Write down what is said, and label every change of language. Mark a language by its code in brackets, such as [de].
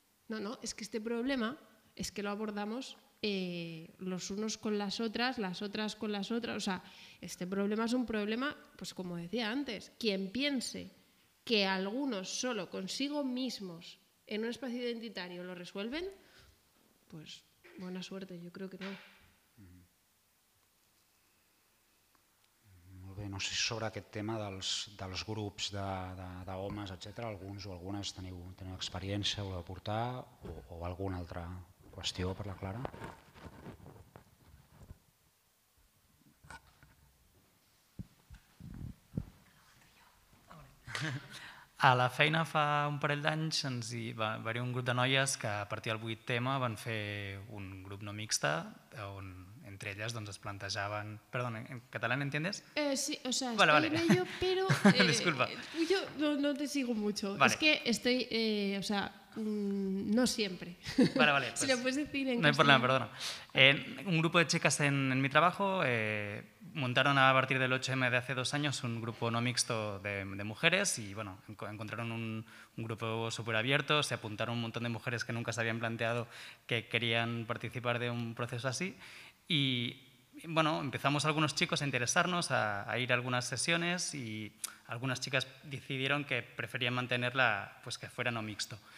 [es] No, no, es que este problema es que lo abordamos los unos con las otras con las otras. O sea, este problema es un problema, pues como decía antes, quien piense que algunos solo consigo mismos en un espacio identitario lo resuelven, pues buena suerte, yo creo que no. [ca] Molt bé, no sé si sobre aquest tema dels grups d'homes, etc., alguns o algunes teniu experiència, voleu aportar, o alguna altra qüestió per la Clara? A la feina fa un parell d'anys ens hi va haver un grup de noies que a partir del 8M van fer un grup no mixte on entre elles doncs es plantejaven... [es] Perdona, en català entiendes? Sí, o sea, vale, estoy en ello, pero... Disculpa. Yo no te sigo mucho. Vale. Es que estoy... o sea, no siempre. Vale, vale. Pues, si lo puedes decir en castellano. No hay problema, perdona. Un grupo de chicas en mi trabajo... montaron a partir del 8M de hace 2 años un grupo no mixto de mujeres y bueno, encontraron un grupo súper abierto, se apuntaron un montón de mujeres que nunca se habían planteado que querían participar de un proceso así y bueno, empezamos algunos chicos a interesarnos, a ir a algunas sesiones y algunas chicas decidieron que preferían mantenerla, pues que fuera no mixto.